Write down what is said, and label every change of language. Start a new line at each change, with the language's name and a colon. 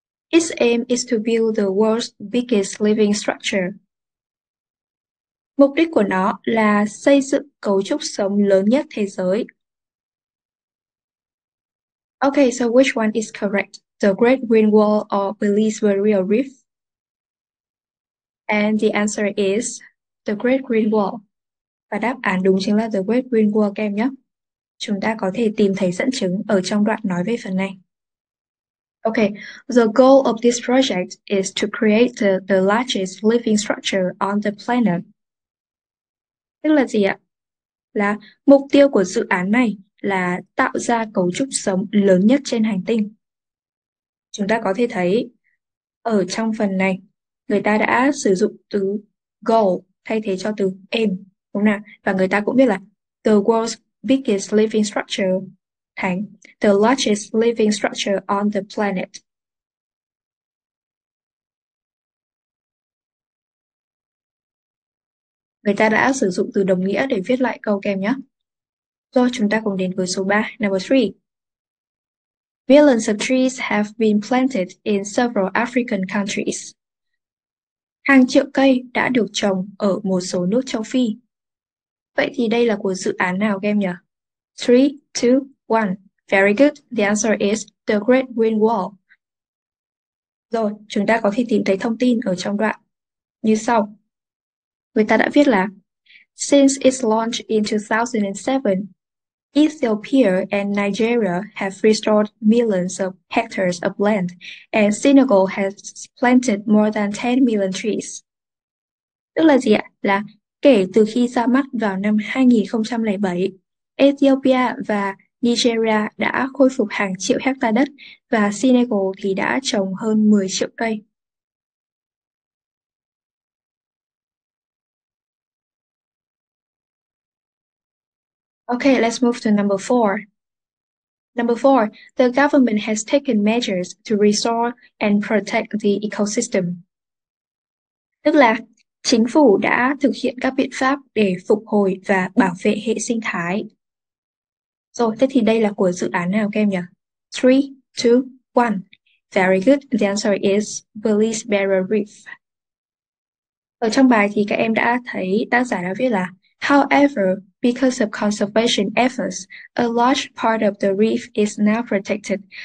English: Its aim is to build the world's biggest living structure.
Vietnamese: Mục đích của nó là xây dựng cấu trúc sống lớn nhất thế giới.
English: Okay, so which one is correct? The Great Green Wall or Belize Barrier Reef? And the answer is the Great Green Wall.
Vietnamese: Và đáp án đúng chính là The Great Green Wall các em nhé. Chúng ta có thể tìm thấy dẫn chứng ở trong đoạn nói về phần này.
English: Okay, the goal of this project is to create the largest living structure on the planet.
Vietnamese: Tức là gì ạ? Là mục tiêu của dự án này là tạo ra cấu trúc sống lớn nhất trên hành tinh. Chúng ta có thể thấy ở trong phần này người ta đã sử dụng từ goal thay thế cho từ aim, đúng nào? Và người ta cũng biết là
English: the world's biggest living structure, thành the largest living structure on the planet.
Vietnamese: Người ta đã sử dụng từ đồng nghĩa để viết lại câu kèm nhé. Rồi, chúng ta cùng đến với số 3, number 3.
English: Billions of trees have been planted in several African countries.
Vietnamese: Hàng triệu cây đã được trồng ở một số nước châu Phi. Vậy thì đây là của dự án nào các em nhỉ? 3, 2, 1.
English: Very good. The answer is the Great Green Wall.
Vietnamese: Rồi, chúng ta có thể tìm thấy thông tin ở trong đoạn như sau. Người ta đã viết là
English: since its launch in 2007, Ethiopia and Nigeria have restored millions of hectares of land, and Senegal has planted more than 10 million trees.
Vietnamese: Tức là gì ạ? Là kể từ khi ra mắt vào năm 2007, Ethiopia và Nigeria đã khôi phục hàng triệu hecta đất và Senegal thì đã trồng hơn 10 triệu cây.
English: Okay, let's move to number four. Number four, the government has taken measures to restore and protect the ecosystem.
Vietnamese: Tức là chính phủ đã thực hiện các biện pháp để phục hồi và bảo vệ hệ sinh thái. Rồi, thế thì đây là của dự án nào các em nhỉ? 3, 2, 1.
English: Very good. The answer is Belize Barrier Reef.
Vietnamese: Ở trong bài thì các em đã thấy tác giả đã viết là
English: However, because of conservation efforts, a large part of the reef is now protected.